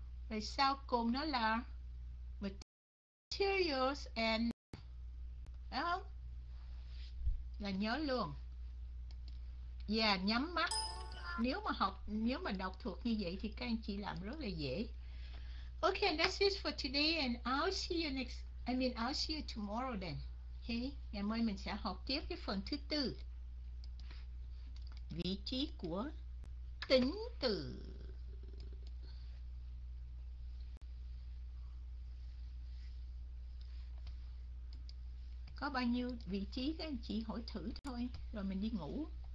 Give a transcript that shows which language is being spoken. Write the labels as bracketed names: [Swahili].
[Vietnamese] Rồi sau cùng nó là materials and, phải không? Là nhớ luôn. Và yeah, nhắm mắt. Nếu mà học, nếu mà đọc thuộc như vậy thì các anh chị làm rất là dễ. [English] Ok, that's it for today and I'll see you tomorrow then. Okay? [Vietnamese] Ngày mai mình sẽ học tiếp cái phần thứ tư. Vị trí của tính từ có bao nhiêu vị trí, các anh chị hỏi thử thôi rồi mình đi ngủ.